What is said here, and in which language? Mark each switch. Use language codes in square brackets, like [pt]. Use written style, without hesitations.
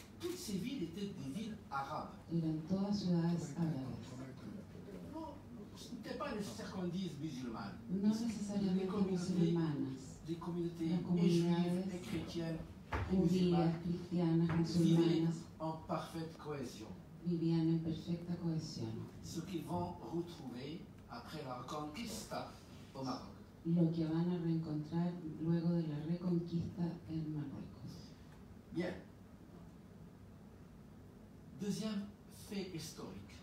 [fr] Toutes ces villes étaient des villes arabes. [es] Eran todas ciudades árabes. [fr] Ce n'était pas les circondices musulmanes. [es] No necesariamente musulmanas. [fr] Des communautés juives et chrétiennes. [es] Musulmanes [fr] en parfaite cohésion. [es] Vivían en perfecta cohesión. [fr] Ce qu'ils vont retrouver après la reconquista au Maroc. [es] Lo que van a reencontrar luego de la reconquista en Marruecos. [fr] Bien. Deuxième fait historique.